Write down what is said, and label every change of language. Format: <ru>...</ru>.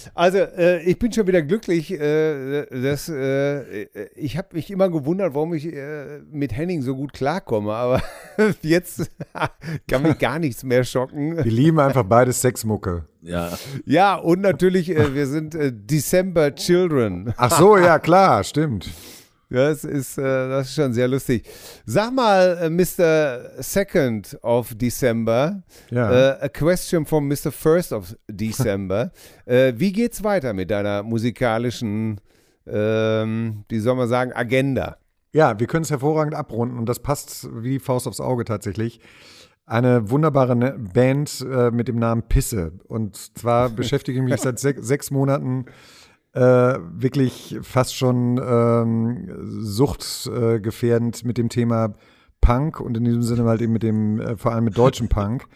<de>Also, ich bin schon wieder glücklich. Ich habe mich immer gewundert, warum ich mit Henning so gut klarkomme. Aber jetzt kann mich gar nichts mehr schocken. Wir lieben einfach beide Sexmucke. Ja. Ja, und natürlich, wir sind December Children. Ach so, ja, klar, stimmt. Das ist schon sehr lustig. Sag mal, Mr.</de> <en>Second of December, a question from Mr. First of December.</en> <de>wie geht's weiter mit deiner musikalischen, wie soll man sagen, Agenda? Ja, wir können es hervorragend abrunden und das passt wie die Faust aufs Auge tatsächlich. Eine wunderbare Band mit dem Namen Pisse. Und zwar beschäftige ich mich seit sechs Monaten wirklich fast schon suchtgefährdend mit dem Thema Punk und in diesem Sinne halt eben mit dem, vor allem mit deutschem Punk.</de>